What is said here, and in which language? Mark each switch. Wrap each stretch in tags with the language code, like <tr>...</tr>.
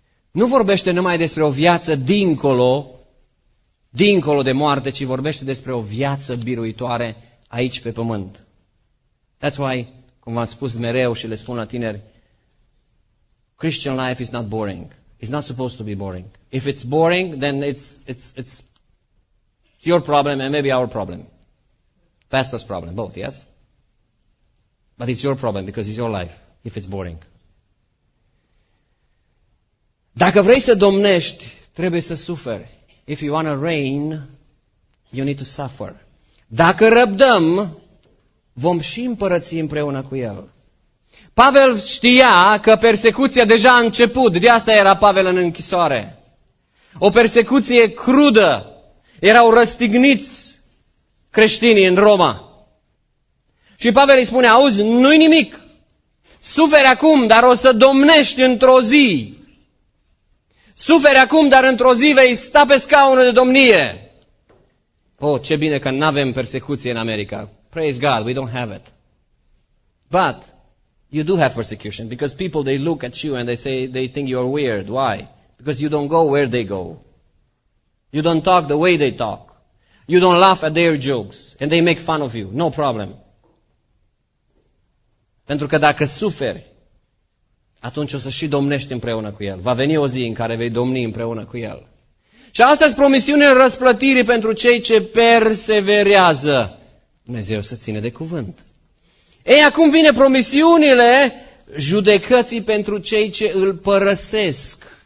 <ro>Nu vorbește numai despre o viață dincolo de moarte, ci vorbește despre o viață biruitoare aici pe pământ. That's why, cum v-am spus mereu și le spun la tineri, Christian life is not boring.</ro> <en>It's not supposed to be boring. If it's boring, then it's your problem and maybe our problem. Pastor's problem, both, yes? But it's your problem because it's your life, if it's boring.</en> <ro>Dacă vrei să domnești, trebuie să suferi.</ro> <en>If you want to reign, you need to suffer.</en> <ro>Dacă răbdăm, vom și împărăți împreună cu El. Pavel știa că persecuția deja a început, de asta era Pavel în închisoare. O persecuție crudă, erau răstigniți creștinii în Roma. Și Pavel îi spune, auzi, nu-i nimic, suferi acum, dar o să domnești într-o zi. Suferi acum, dar într-o zi vei sta pe scaunul de domnie. Oh, ce bine că n-avem persecuție în America.</ro> <en>Praise God, we don't have it. But you do have persecution because people, they look at you and they say, they think you are weird. Why? Because you don't go where they go. You don't talk the way they talk. You don't laugh at their jokes and they make fun of you. No problem.</en> <ro>Pentru că dacă suferi, atunci o să și domnești împreună cu El. Va veni o zi în care vei domni împreună cu El. Și asta e promisiunea răsplătirii pentru cei ce perseverează. Dumnezeu să ține de cuvânt. Ei, acum vine promisiunile judecății pentru cei ce îl părăsesc.</ro>